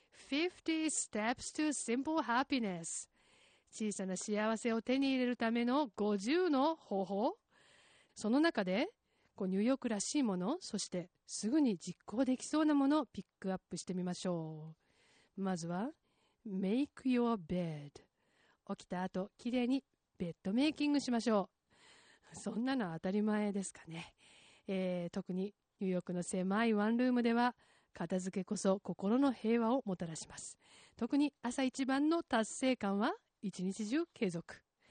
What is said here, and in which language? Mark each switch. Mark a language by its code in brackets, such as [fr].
[en] 50 steps to simple happiness、 [ja] 小さな幸せを手に入れるための50の方法、その中でこうニューヨークらしいもの、そしてすぐに実行できそうなものをピックアップしてみましょう。まずは [en] Make your bed。 [ja] 起きた後きれいにベッドメイキングしましょう。そんなの当たり前ですかね。特にニューヨークの狭いワンルームでは片付けこそ心の平和をもたらします。特に朝一番の達成感は一日中継続。